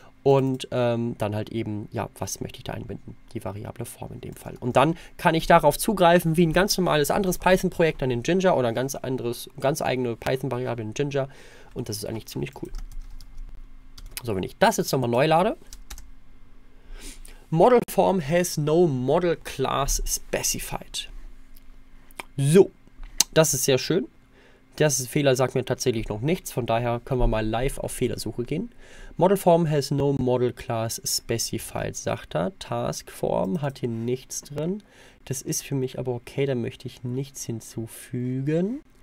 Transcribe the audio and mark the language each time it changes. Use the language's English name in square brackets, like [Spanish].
[German] Und dann halt eben, ja, was möchte ich da einbinden? Die Variable Form in dem Fall. Und dann kann ich darauf zugreifen, wie ein ganz normales anderes Python-Projekt dann in Jinja oder ein ganz anderes, ganz eigene Python-Variable in Jinja. Und das ist eigentlich ziemlich cool. So, wenn ich das jetzt nochmal neu lade. [English] Model Form has no model class specified. [German] So, das ist sehr schön. Der Fehler sagt mir tatsächlich noch nichts, von daher können wir mal live auf Fehlersuche gehen. [English] Model Form has no model class specified, [German] sagt er. Task Form hat hier nichts drin. Das ist für mich aber okay, da möchte ich nichts hinzufügen.